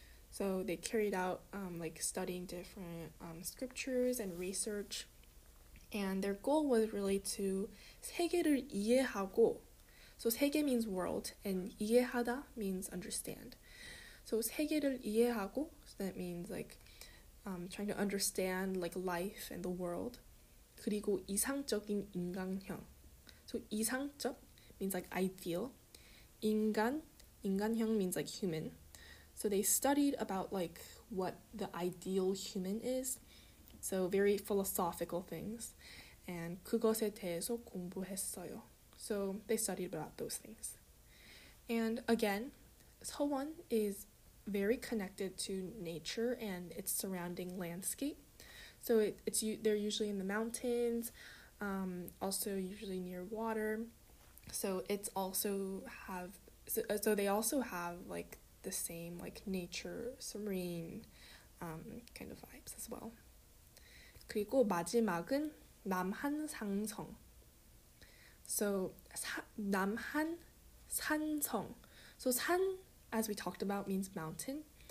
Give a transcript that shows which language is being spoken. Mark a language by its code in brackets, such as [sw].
[en] So they carried out studying different scriptures and research, and their goal was really to [ko] 세계를 이해하고. [en] So 세계 means world, and 이해하다 means understand. So 세계를 이해하고, so that means like trying to understand like life and the world. [ko] 그리고 이상적인 인간형. [en] So 이상적 means like ideal. 인간, 인간형 means like human. So they studied about like what the ideal human is. So very philosophical things. And [ko] 그것에 대해서 공부했어요. [en] So they studied about those things. And again, 서원 is very connected to nature and its surrounding landscape. So they're usually in the mountains, also usually near water. So it's also have So they also have like the same like nature, serene kind of vibes as well. [ko] 그리고 마지막은 남한산성. [en] So 남한산성. So 산, as we talked about, means mountain.